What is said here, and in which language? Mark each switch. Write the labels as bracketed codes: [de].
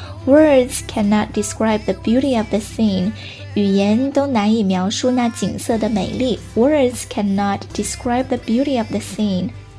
[en] Words cannot describe the beauty of the scene. [zh] 语言都难以描述那景色的美丽。 [en] Words cannot describe the beauty of the scene.